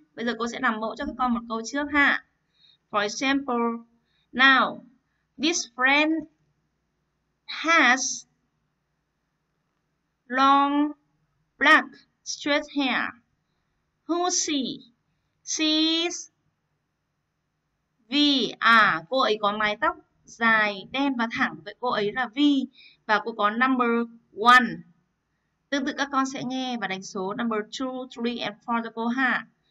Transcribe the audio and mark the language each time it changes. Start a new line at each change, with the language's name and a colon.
Vietnamese: Bây giờ cô sẽ làm mẫu cho các con một câu trước ha.
English: For example, now, this friend has long black straight hair. Who sees V?
Vietnamese: À, cô ấy có mái tóc dài, đen và thẳng. Vậy cô ấy là V và cô có
English: number one.
Vietnamese: Tương tự các con sẽ nghe và đánh số
English: number 2, 3 and 4
Vietnamese: cho cô ha.